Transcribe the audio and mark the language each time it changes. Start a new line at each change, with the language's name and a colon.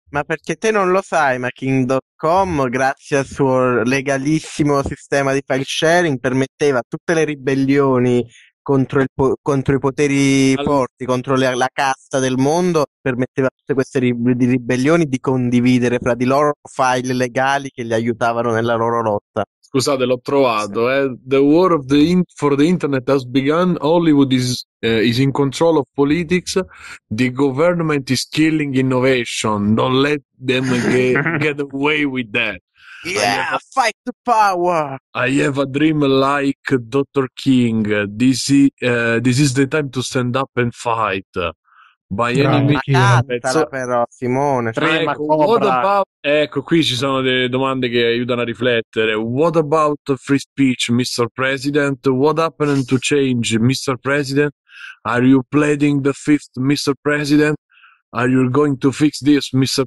Italian: Ma perché te non lo sai, ma Kim.com, grazie al suo legalissimo sistema di file sharing, permetteva tutte le ribellioni contro i poteri forti, contro la casta del mondo, permetteva a tutte queste ribellioni di condividere fra di loro file legali che li aiutavano nella loro lotta. Scusate, l'ho trovato. Sì.
English: The war of the for the internet has begun. Hollywood is in control of politics. The government is killing innovation. Don't let them get away with that. Yeah, fight the power. I have a dream like Dr. King. This is the time to stand up and fight. By no, enemy.
Italian: Ma cantala però, Simone. Ecco, qui ci sono delle domande che aiutano a riflettere.
English: What about free speech, Mr. President? What happened to change, Mr. President? Are you pleading the fifth, Mr. President? Are you going to fix this, Mr.